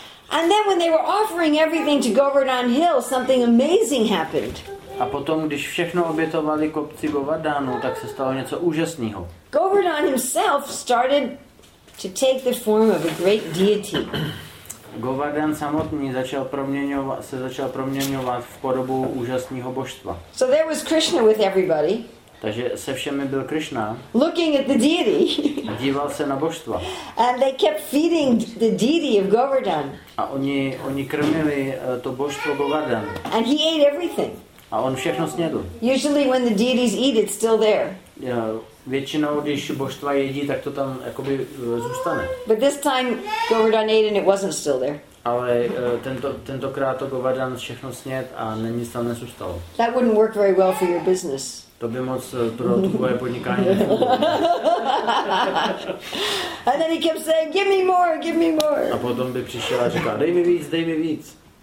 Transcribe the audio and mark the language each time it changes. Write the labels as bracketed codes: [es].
[en] And then when they were offering everything to Govardhan Hill, something amazing happened. [cs] A potom, když všechno obětovali kopci Govardhanu, tak se stalo něco úžasného. [en] Govardhan himself started to take the form of a great deity. [cs] Govardhan samotný začal proměňovat v podobu úžasného božstva. [en] So there was Krishna with everybody. [cs] Takže se všemi byl Krishna. [en] Looking at the deity. [cs] Díval se na božstva. [en] And they kept feeding the deity of Govardhan. [cs] A oni krmili to božstvo Govardhan. [en] And he ate everything. [cs] A on všechno snědl. [en] Usually when the deities eat, it's still there. [cs] Většinou, když božstva jedí, tak to tam jakoby zůstane. [en] But this time Govardhan ate and it wasn't still there. [cs] Ale tentokrát to Govardhan všechno sněd a nic tam nezůstalo. [en] That wouldn't work very well for your business. [cs] To by moc pro tvoje podnikání nefungovalo. [en] And then he kept saying, give me more, give me more. [cs] A potom by přišel a říkal, dej mi víc, dej mi víc.